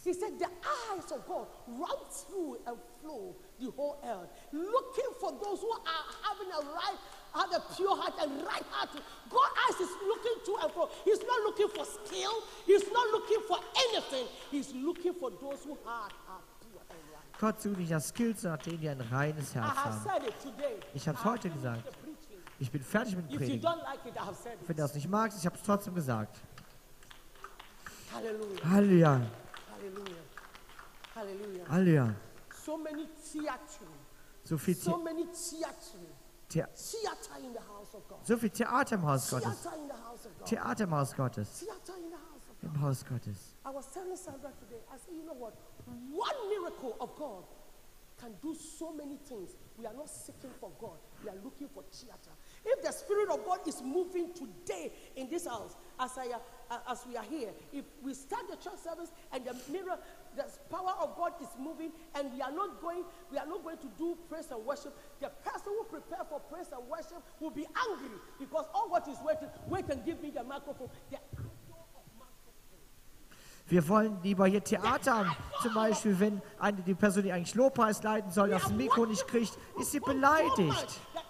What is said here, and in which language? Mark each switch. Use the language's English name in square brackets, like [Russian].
[English] He said the eyes of God run through and flow the whole earth, looking for those who are having a right, have a pure heart and right heart. God's eyes is looking to and fro. He's not looking for skill. He's not looking for anything. He's looking for those who heart are pure and right. [German] Gott sucht nicht nach Skills, sondern denen, die ein reines Herz haben. [English] I have said it today. [German] Ich habe es heute gesagt. Ich bin fertig mit dem Predigen. Wenn du das nicht magst, ich habe es trotzdem gesagt. Halleluja. Halleluja. Halleluja. Halleluja. Halleluja. [English] So many theater. [German] So viel [English] so many theater. Theater in the house of God. [German] So viel Theater im Haus Gottes. [English] Theater in the house of God. [German] Theater im Haus Gottes. [English] Theater in the house of God. [German] Im Haus Gottes. [English] I was telling Sandra today, I said, you know what? One miracle of God can do so many things. We are not seeking for God. We are looking for theater. If the Spirit of God is moving today in this house, as we are here, if we start the church service and the power of God is moving and we are not going to do praise and worship, the person who prepare for praise and worship will be angry because all what is waiting, wait and give me the microphone. The [German] wir wollen lieber hier Theater haben. Zum Beispiel, wenn die Person, die eigentlich Lobpreis leiten soll, das Mikro nicht kriegt, ist sie beleidigt.